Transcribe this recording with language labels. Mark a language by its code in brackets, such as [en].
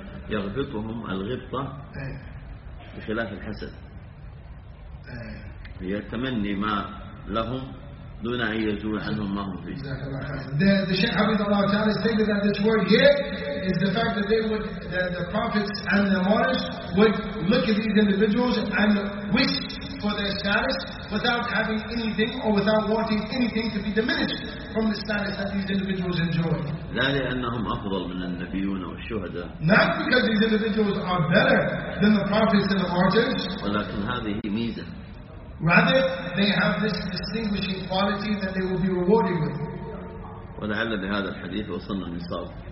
[ar] يغبطهم الغبطة بخلاف الحسد يتمني ما لهم دون أن يزول عنهم ما هم فيه. [en] The Shaykh Hafizullah Ta'ala stated that this word here is the fact that they would that the prophets and the martyrs would look at these individuals and wish for their status without having anything or without wanting anything to be diminished from the status that these individuals enjoyed. [ar] لا لأنهم أفضل من النبيون والشهداء. [en] Not because these individuals are better than the prophets and the martyrs. [ar] ولكن هذه ميزة. [en] Rather, they have this distinguishing quality that they will be rewarded with. [ar] ولعل بهذا الحديث وصلنا النصاب.